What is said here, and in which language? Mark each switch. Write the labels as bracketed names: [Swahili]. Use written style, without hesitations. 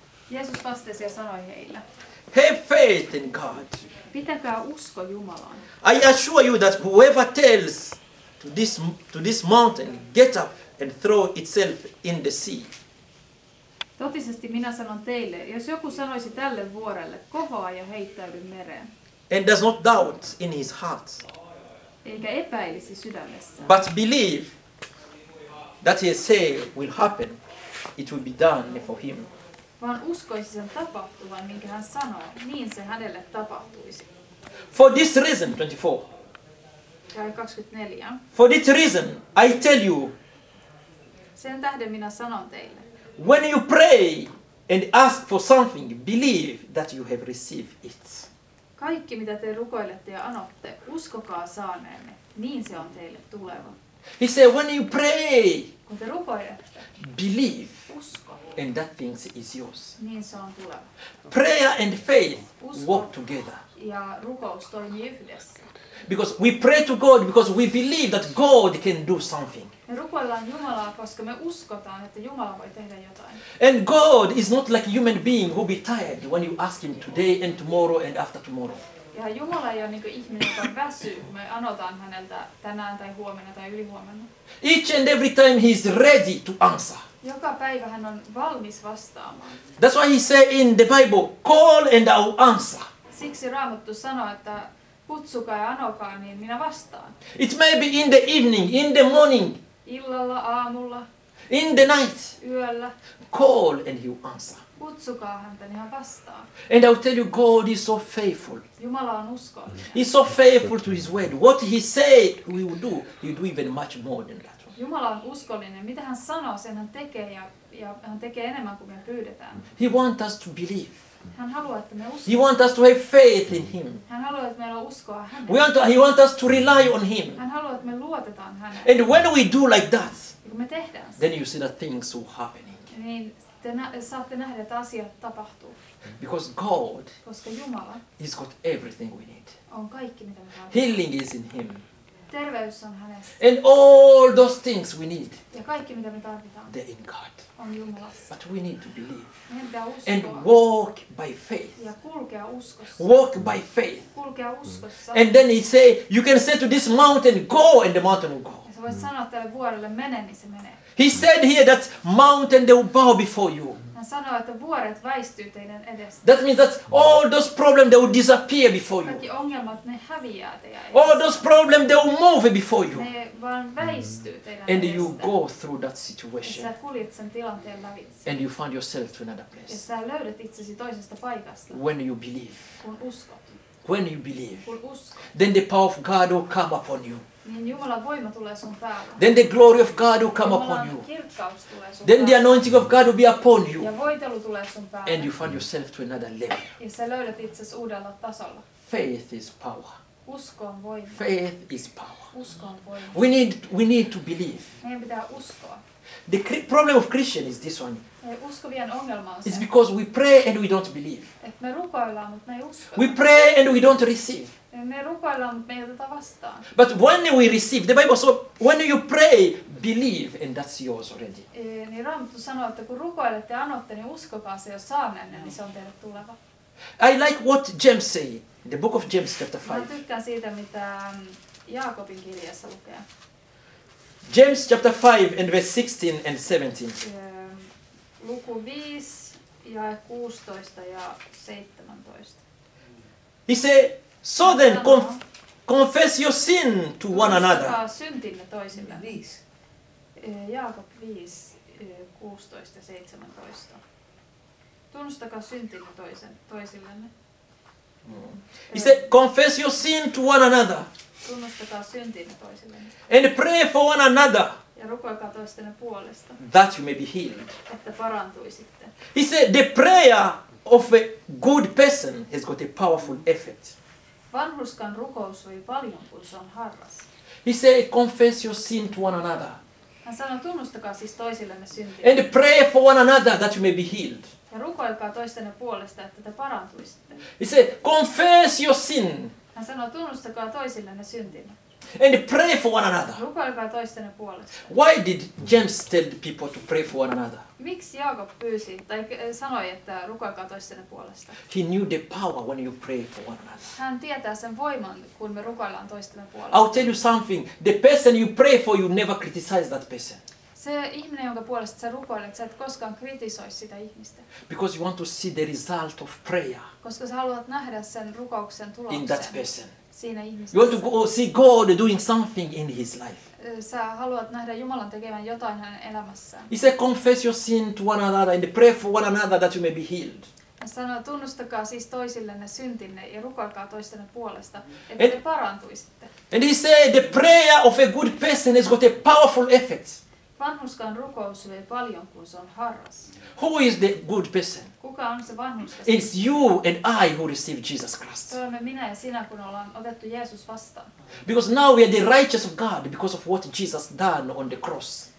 [Finnish] Jeesus vastasi ja sanoi heille. [English] Have faith in God. [Finnish] Pitäkää usko Jumalaan. [English] I assure you that whoever tells to this mountain, get up and throw itself in the sea. [Finnish] Totisesti minä sanon teille, jos joku sanoisi tälle vuorelle, kohoa ja heittäydy mereen. [English] And does not doubt in his heart. [Finnish] Eikä epäilisi sydämessä. [English] But believe that he say will happen, it will be done for him. [Finnish] Vaan uskoisi sen tapahtuvan, minkä hän sanoo, niin se hänelle tapahtuisi. [English] For this reason, 24. [Finnish] Ja 24. [English] For this reason, I tell you. [Finnish] Sen tähden minä sanon teille. [English] When you pray and ask for something, believe that you have received it. [Finnish] Kaikki mitä te rukoilette ja anotte, uskokaa saaneenne, niin se on teille tuleva. [English] He said, when you pray, [Finnish] kun te rukoilette, [English] believe, [Finnish] usko, [English] and that thing is yours. [Finnish] Niin se on tuleva. [English] Prayer and faith [Finnish] usko [English] work together. [Finnish] Ja rukous toimii yhdessä. [English] Because we pray to God because we believe that God can do something. [Finnish] Me rukoillaan Jumalaa, koska me uskotaan, että Jumala voi tehdä jotain. [English] And God is not like a human being who be tired when you ask him today and tomorrow and after tomorrow. [Finnish] Ja Jumala ei ole niin kuin ihminen, joka väsyy, kun me anotaan häneltä tänään tai huomenna tai ylihuomenna. [English] Each and every time he is ready to answer. [Finnish] Joka päivä hän on valmis vastaamaan. [English] That's why he say in the Bible, call and I'll answer. [Finnish] Siksi Raamattu sanoo, että kutsukaa ja anokaa, niin minä vastaan. [English] It may be in the evening, in the morning. [Finnish] Illalla, aamulla. [English] In the night. [Finnish] Yöllä. [English] Call and he will answer. [Finnish] Kutsukaa häntä, niin hän vastaa. [English] And I will tell you, God is so faithful. [Finnish] Jumala on uskollinen. [English] He is so faithful to his word. What he said we will do, he will do even much more than that. [Finnish] Jumala on uskollinen. Mitä hän sanoo, sen hän tekee ja hän tekee enemmän kuin me pyydetään. [English] He wants us to believe. [Finnish] Hän haluaa, että me uskomme. [English] He wants us to have faith in him. [Finnish] Hän haluaa, että meillä on uskoa häneen. [English] He wants us to rely on him. [Finnish] Hän haluaa, että me luotetaan häneen. [English] And when we do like that, [Finnish] kun me tehdään sen, [English] then you see that things will happen. [Finnish] Niin te saatte nähdä, että asiat tapahtuu. [English] Because God, [Finnish] koska Jumala, [English] he's got everything we need. [Finnish] On kaikki, mitä me tarvitaan. [English] Healing is in him. [Finnish] Terveys on hänessä. [English] And all those things we need, [Finnish] ja kaikki, mitä me tarvitaan, [English] they're in God. [Finnish] On Jumalassa. [English] But we need to believe. [Finnish] Meidän pitää uskoa. [English] And walk by faith. [Finnish] Ja kulkea uskossa. [English] Walk by faith. [Finnish] Kulkea uskossa. [English] And then he say, you can say to this mountain, go, and the mountain will go. [Finnish] Ja sä voit sanoa tälle vuorelle, mene, niin se menee. [English] He said here that mountain they will bow before you. [Finnish] Hän sanoo, että vuoret väistyy teidän edestä. [English] That means that all those problems they will disappear before you. [Finnish] Kaikki ongelmat ne häviää teidän edestä. [English] All those problems they will move before you. [Finnish] Ne vaan väistyy teidän [English] and [Finnish] edestä. [English] And you go through that situation. [Finnish] Ja sä kuljet sen tilanteen lävitse. [English] And you find yourself to another place. [Finnish] Ja sä löydät itsesi toisesta paikasta. [English] When you believe. [Finnish] Kun uskot. [English] When you believe. [Finnish] Kun uskot. [English] Then the power of God will come upon you. [Finnish] Niin Jumalan voima tulee sun päälle. [English] Then the glory of God will come upon you. [Finnish] Kirkkaus tulee sun [English] then [Finnish] päälle. [English] The anointing of God will be upon you. [Finnish] Ja voitelu tulee sun päälle. [English] And you find yourself to another level. [Finnish] Ja sä löydät itsesi uudella tasolla. [English] Faith is power. [Finnish] Usko on voima. [English] Faith is power. [Finnish] Usko on voima. [English] We need to believe. [Finnish] Meidän pitää uskoa. [English] The problem of Christian is this one. [Finnish] Uskovien ongelma on se. [English] It's because we pray and we don't believe. [Finnish] Et me rukoillaan, mutta me ei usko. [English] We pray and we don't receive. [Finnish] Me rukoillaan, mutta me ei oteta vastaan. [English] But when we receive, the Bible says, when you pray, believe, and that's yours already. [Finnish] Niin Raamattu sanoo, että kun rukoilette ja anotte, niin uskokaa se, jos saan ennen, niin se on teille tuleva. [English] I like what James say, the book of James chapter 5. [Finnish] Mä tykkään siitä, mitä Jaakobin kirjassa lukee. [English] James chapter 5 and verse 16 and 17. [Finnish] Luku 5 ja 16 ja 17. [English] He say, so then confess your sin to one another. [Finnish] Syntinne toisille. 5. Jaakob 5 16 ja 17. Tunnustakaa syntinne toisillenne. [English] He said, confess your sin to one another. [Finnish] Tunnustakaa syntinne toisillenne. [English] And pray for one another. [Finnish] Ja rukoilkaa toistenne puolesta. [English] That you may be healed. [Finnish] Että parantuisitte. [English] He said, the prayer of a good person has got a powerful effect. [Finnish] Vanhurskan rukous voi paljon, kun se on harras. [English] He said, confess your sin to one another. [Finnish] Hän sanoi, tunnustakaa siis toisillenne syntiä. [English] And pray for one another that you may be healed. [Finnish] Ja rukoilkaa toistenne puolesta, että te parantuisitte. [English] He said, confess your sin. [Finnish] Hän sanoi, tunnustakaa toisillenne syntiä. [English] And pray for one another. [Finnish] Rukoilkaa toistenne puolesta. [English] Why did James tell the people to pray for one another? [Finnish] Miksi Jaakob pyysi tai sanoi, että rukoilkaa toistenne puolesta? [English] He knew the power when you pray for one another. [Finnish] Hän tietää sen voiman, kun me rukoillaan toistenne puolesta. [English] I'll tell you something. The person you pray for, you never criticize that person. [Finnish] Se ihminen, jonka puolesta sä rukoilet, sä et koskaan kritisoi sitä ihmistä. [English] Because you want to see the result of prayer. [Finnish] Koska sä haluat nähdä sen rukouksen tuloksen. [English] In that person. [Finnish] Siinä ihmisessä. [English] You want to go see God doing something in his life. [Finnish] Sä haluat nähdä Jumalan tekevän jotain hänen elämässään. [English] He said, confess your sin to one another and pray for one another that you may be healed. [Finnish] Hän sanoo, tunnustakaa siis toisillenne syntinne ja rukoilkaa toistenne puolesta, että te parantuisitte. [English] And he said, the prayer of a good person has got a powerful effect. [Finnish] Vanhurskan rukous vei paljon, kun se on harras. [English] Who is the good person? [Finnish] Kuka on se vanhurska? [English] It's you and I who receive Jesus Christ. [Finnish] Se olemme minä ja sinä, kun ollaan otettu Jeesus vastaan. [English] Because now we are the righteous of God because of what Jesus done on the cross.